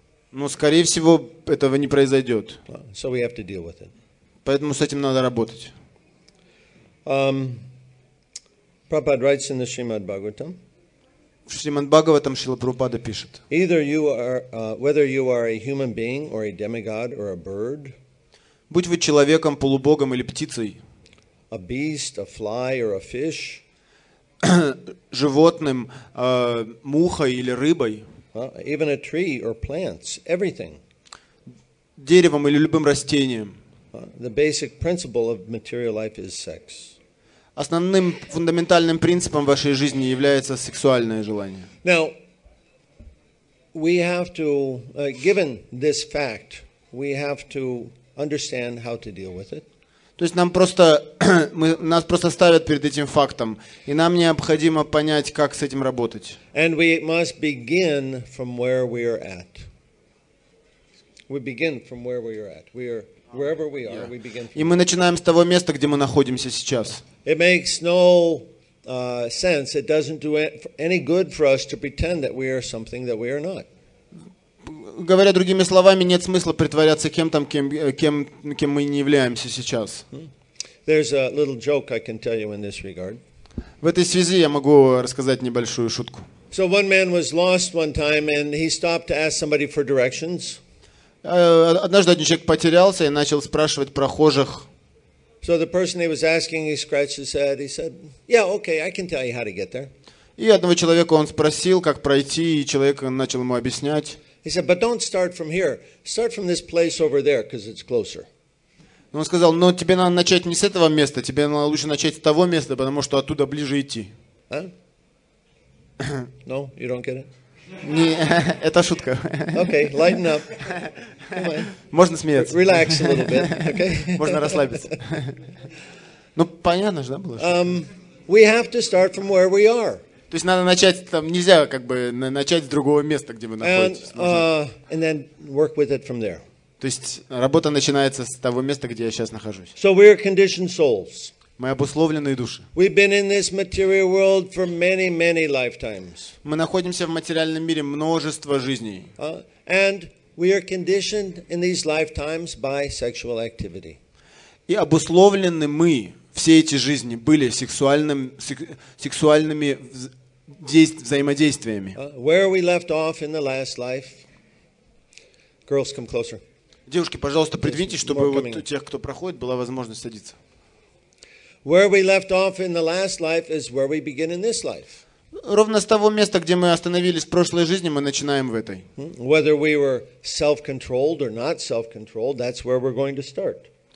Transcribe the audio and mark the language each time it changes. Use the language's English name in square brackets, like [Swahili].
[Russian] Но, скорее всего, этого не произойдет. [English] So we have to deal with it. [Russian] Поэтому с этим надо работать. [English] Prabhupada writes in the Srimad Bhagavatam. [Russian] В Шримад Бхагаватам Шрила Прабхупада пишет. [English] Either you are, whether you are a human being or a demigod or a bird. [Russian] Будь вы человеком, полубогом или птицей. [English] A beast, a fly or a fish. [Russian] Животным, мухой или рыбой. [English] Even a tree or plants, everything. [Russian] деревом или любым растением. [English] The basic principle of material life is sex. [Russian] Основным фундаментальным принципом вашей жизни является сексуальное желание. [English] Now, we have to, given this fact, we have to understand how to deal with it. [Russian] То есть нас просто ставят перед этим фактом, и нам необходимо понять, как с этим работать. [English] And we must begin from where we are at. We begin from where we are at. We are wherever we are. Yeah. We begin from. [Russian] И мы начинаем с того места, где мы находимся сейчас. [English] It makes no sense. It doesn't do any good for us to pretend that we are something that we are not. [Russian] Говоря другими словами, нет смысла притворяться кем мы не являемся сейчас. [English] There's a little joke I can tell you in this regard. [Russian] В этой связи я могу рассказать небольшую шутку. [English] So one man was lost one time, and he stopped to ask somebody for directions. [Russian] Однажды один человек потерялся и начал спрашивать прохожих. [English] So the person he was asking, he scratched his head. He said, "Yeah, okay, I can tell you how to get there." [Russian] И одного человека он спросил, как пройти, и человек начал ему объяснять. [English] He said, "But don't start from here. Start from this place over there, because it's closer." [Russian] Он сказал, "Но тебе надо начать не с этого места. Тебе надо лучше начать с того места, потому что оттуда ближе идти." [English] No, you don't get it. [Russian] Не, это шутка. [English] Okay, lighten up. [Russian] Можно смеяться. [English] Relax a little bit. Okay. [Russian] Можно расслабиться. Ну понятно же, да, было. [English] We have to start from where we are. [Russian] То есть надо начать там, нельзя как бы начать с другого места, где вы находитесь. То есть работа начинается с того места, где я сейчас нахожусь. [English] So we are conditioned souls. [Russian] Мы обусловленные души. [English] We've been in this material world for many, many lifetimes. [Russian] Мы находимся в материальном мире множество жизней. [English] And we are conditioned in these lifetimes by sexual activity. [Russian] И обусловлены мы. Все эти жизни были сексуальными взаимодействиями. [English] Where we left off in the last life. Girls, come closer. [Russian] Девушки, пожалуйста, придвиньтесь, чтобы вот у тех, кто проходит, была возможность садиться. [English] Where we left off in the last life is where we begin in this life. [Russian] Ровно с того места, где мы остановились в прошлой жизни, мы начинаем в этой. [English] Whether we were self-controlled or not self-controlled, that's where we're going to start.